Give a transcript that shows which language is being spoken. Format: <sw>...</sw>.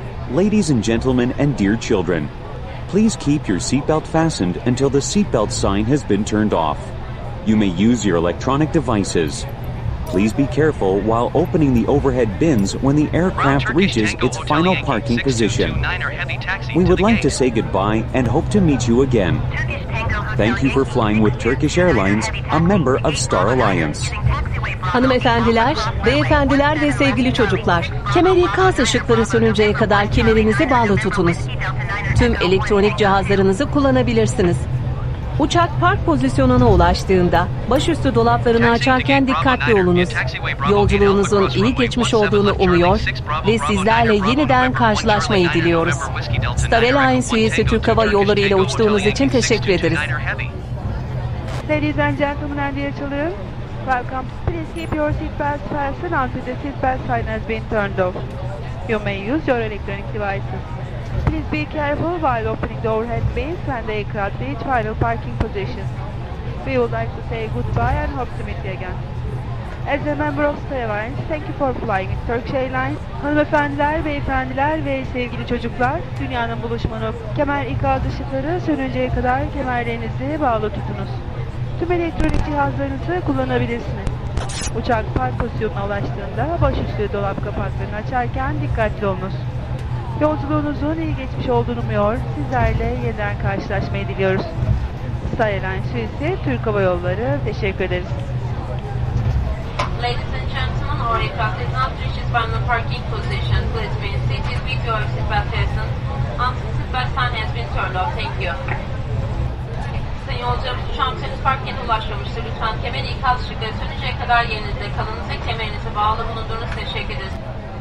<en>Ladies and gentlemen and dear children, please keep your seatbelt fastened until the seatbelt sign has been turned off. You may use your electronic devices. Please be careful while opening the overhead bins when the aircraft reaches its final parking position. We would like to say goodbye and hope to meet you again. Thank you for flying with Turkish Airlines, a member of Star Alliance.</en> <tr>Hanımefendiler, beyefendiler ve sevgili çocuklar, kemer ikaz ışıkları sönünceye kadar kemerinizi bağlı tutunuz. Tüm elektronik cihazlarınızı kullanabilirsiniz. Uçak park pozisyonuna ulaştığında, başüstü dolaplarını açarken dikkatli olunuz. Yolculuğunuzun iyi geçmiş olduğunu umuyor ve sizlerle yeniden karşılaşmayı diliyoruz. Star Airlines üyesi Türk Hava Yolları ile uçtuğunuz için teşekkür ederiz.</tr> <en>Ladies and gentlemen, dear children, welcome. Please keep your seat belts fastened until the seat belt sign has been turned off. You may use your electronic devices. Please be careful while opening the overhead bins when they cross each final parking position. We would like to say goodbye and hope to meet you again. As a member of Star Airlines, thank you for flying with Turkish Airlines.</en> <tr>Hanımefendiler, beyefendiler ve sevgili çocuklar, dünyanın buluşma noktası. Kemer ikaz ışıkları sönünceye kadar kemerlerinizi bağlı tutunuz. Tüm elektronik cihazlarınızı kullanabilirsiniz. Uçak park pozisyonuna ulaştığında başüstü dolap kapaklarını açarken dikkatli olunuz. Yolculuğunuzun iyi geçmiş olduğunu umuyor, sizlerle yeniden karşılaşmayı diliyoruz. Star Airlines üyesi Türk Hava Yolları, teşekkür ederiz.</tr> <en>Ladies and gentlemen, our aircraft is not reaching final parking position. Please be seated with your seatbelt fastened. Until seatbelt sign has been turned off, thank you.</en> <tr>Sayın yolcularımız, uçağımız henüz park yerine ulaşmamıştır. Lütfen kemer ikaz ışıkları sönünceye kadar yerinizde kalınız ve kemerinizi bağlı bulundurunuz, teşekkür ederiz.</tr>